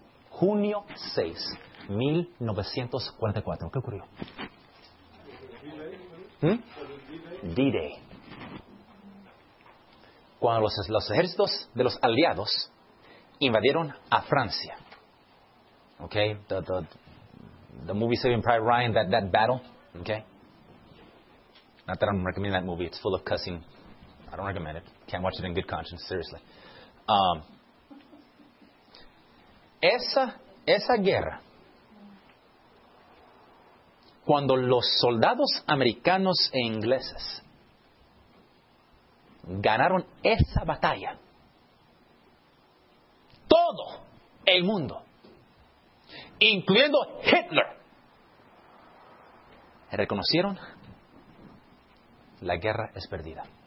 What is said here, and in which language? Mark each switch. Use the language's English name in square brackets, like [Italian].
[Spanish] Junio 6, 1944. ¿Qué ocurrió? [English] D-Day. [Spanish] Cuando los ejércitos de los aliados invadieron a Francia. [English] Okay, the movie Saving Private Ryan, that battle. Okay. Not that I'm recommending that movie. It's full of cussing. I don't recommend it. Can't watch it in good conscience. Seriously. [Spanish] Esa guerra, cuando los soldados americanos e ingleses ganaron esa batalla, todo el mundo, incluyendo Hitler, reconocieron la guerra es perdida.